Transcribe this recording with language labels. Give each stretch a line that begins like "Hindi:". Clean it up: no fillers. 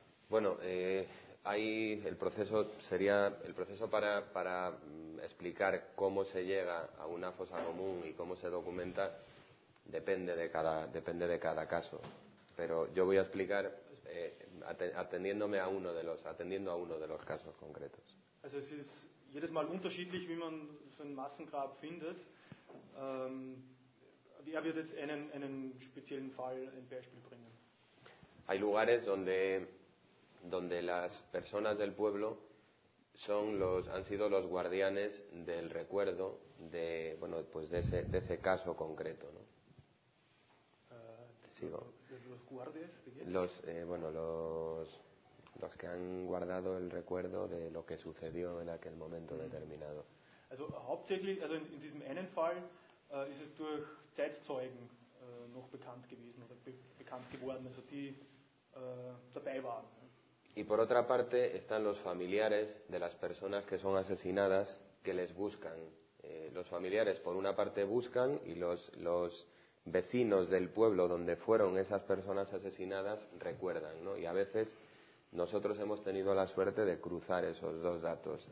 Spanish: Bueno, hay el proceso para explicar cómo se llega a una fosa común y cómo se documenta depende de cada caso. Pero yo voy a explicar atendiendo a uno de los casos concretos.
German: Also es ist jedes Mal unterschiedlich, wie man so ein Massengrab findet. Er wird jetzt einen speziellen Fall ein Beispiel bringen.
Spanish: Hay lugares donde las personas del pueblo han sido los guardianes del recuerdo de, bueno, pues de ese caso concreto, ¿no? Sigo. Los guardias, los que han guardado el recuerdo de lo que sucedió en aquel momento determinado.
German: Also hauptsächlich, also in diesem einen Fall ist es durch Zeitzeugen noch bekannt gewesen oder bekannt geworden, also die dabei waren.
Spanish: Y por otra parte están los familiares de las personas que son asesinadas que les buscan. Los familiares por una parte buscan y los vecinos del pueblo donde fueron esas personas asesinadas recuerdan, ¿no? Y a veces nosotros hemos tenido la suerte de cruzar esos dos datos.